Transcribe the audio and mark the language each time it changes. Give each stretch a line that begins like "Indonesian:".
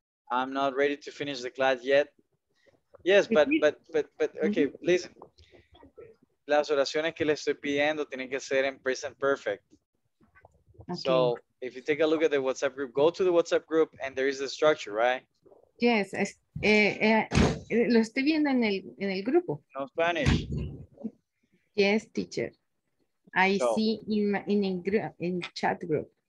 English: I'm not ready to finish the class yet. Yes, but okay, mm-hmm. Listen.
Spanish: Las oraciones que le estoy pidiendo tienen que ser en present perfect.
English: Okay. So if you take a look at the WhatsApp group, go to the WhatsApp group and there is the structure, right?
Spanish: Yes, lo estoy viendo en el grupo.
English: No Spanish. Yes, teacher. I see in chat group.